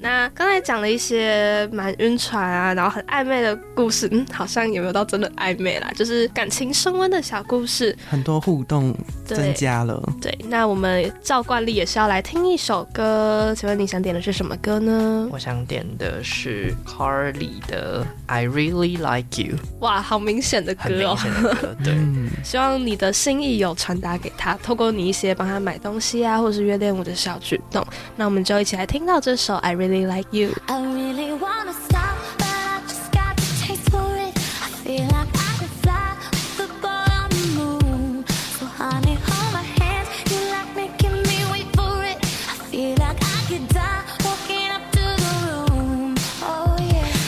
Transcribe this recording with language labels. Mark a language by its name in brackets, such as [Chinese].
[Chinese] 那刚才讲了一些蛮晕船啊，然后很暧昧的故事，嗯，好像也没有到真的暧昧啦，就是感情升温的小故事，很多互动增加了。对，那我们照惯例也是要来听一首歌，请问你想点的是什么歌呢？我想点的是 Carly 的 I Really Like You。哇，好明显的歌哦，很明显的歌。对，希望你的心意有传达给他，透过你一些帮他买东西啊或是约练舞的小举动。那我们就一起来听到这首 I Really Like You。 [English] I really wanna stop but I just got the taste for it. I feel like I could fly with the boy on the moon. So honey hold my hands, you like making me wait for it. I feel like I could die walking up to the room. Oh yeah.